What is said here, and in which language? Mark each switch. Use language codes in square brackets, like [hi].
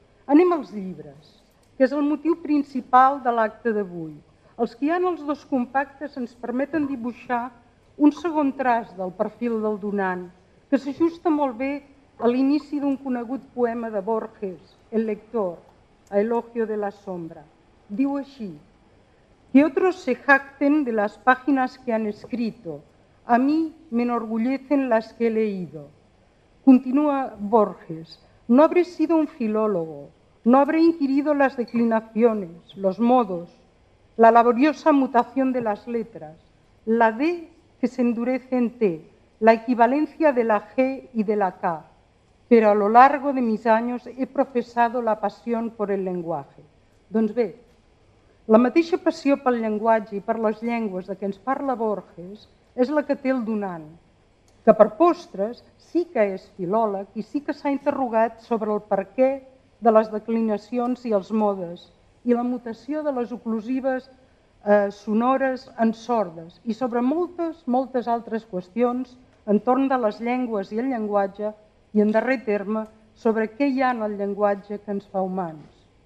[ca] Anem als llibres, que és el motiu principal de l'acte d'avui. Els que hi ha en els dos compactes ens permeten dibuixar un segon traç del perfil del donant, que s'ajusta molt bé a l'inici d'un conegut poema de Borges, El lector, a Elogio de la sombra. Diu així: [es] que otros se jacten de las páginas que han escrito, a mí me enorgullecen las que he leído. Continúa Borges: no habré sido un filólogo, no habré inquirido las declinaciones, los modos, la laboriosa mutación de las letras, la D que se endurece en T, la equivalencia de la G y de la K, pero a lo largo de mis años he profesado la pasión por el lenguaje. [ca] Doncs bé, la mateixa passió pel llenguatge i per les llengües de què ens parla Borges és la que té el donant, que per postres sí que és filòleg i sí que s'ha interrogat sobre el perquè de les declinacions i els modes i la mutació de les oclusives sonores en sordes i sobre moltes, moltes altres qüestions entorn de les llengües i el llenguatge i, en darrer terme, sobre què hi ha en el llenguatge que ens fa humans.